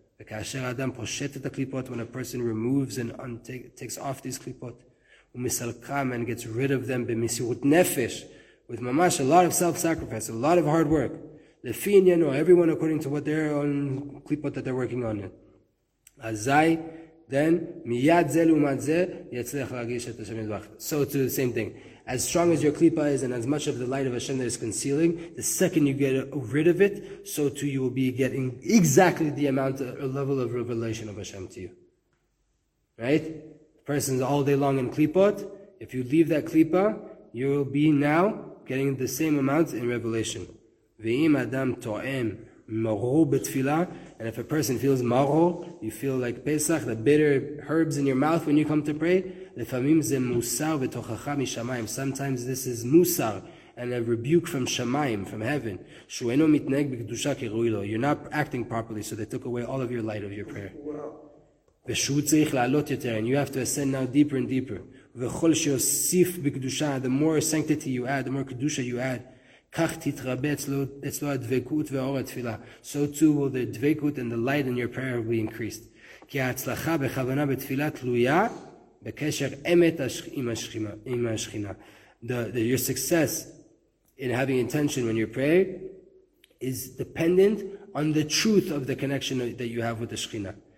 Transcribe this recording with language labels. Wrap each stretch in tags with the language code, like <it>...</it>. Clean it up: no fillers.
<he>וכאשר אדם פושט את הקליפות,</he> <en>when a person removes and takes off these klipot,</en> <he>ומסלקם</he> <en>and gets rid of them</en> <he>במסירות נפש,</he> <en>with mamash, a lot of self-sacrifice, a lot of hard work.</en> <he>לפי עניינו,</he> <en>everyone according to what their own klipot that they're working on.</en> <he>אזי,</he> <en>then,</en> <he>מיד זה לעומת זה, יצליח להגיש את השם ידבח.</he> <en>So to the same thing. As strong as your klipa is, and as much of the light of Hashem that is concealing, the second you get rid of it, so too you will be getting exactly the amount or level of revelation of Hashem to you. Right? The person's all day long in klipot. If you leave that klipa, you will be now getting the same amount in revelation.</en> <he>Ve'im adam to'em maro betfilah,</he> <en>and if a person feels maro, you feel like Pesach, the bitter herbs in your mouth when you come to pray,</en> <he>לפעמים זה מוסר ותוכחה משמיים.</he> <en>Sometimes this is מוסר and a rebuke from שמיים, from heaven.</en> <he>שהוא אינו מתנהג בקדושה כראוי לו.</he> <en>You're not acting properly, so they took away all of your light of your prayer.</en> <he>ושהוא צריך לעלות יותר,</he> <en>and you have to ascend now deeper and deeper.</en> <he>וכל שיוסיף בקדושה,</he> <en>the more sanctity you add,</en> <he>the more קדושה you add, כך תתרבה אצלו הדבקות ואור התפילה.</he> <en>So too will the דבקות and the light in your prayer will be increased.</en> <he>כי ההצלחה בכוונה בתפילה תלויה בקשר אמת עם השכינה.</he> <en>Your success in having intention when you pray is dependent on the truth of the connection that you have with the שכינה.</en>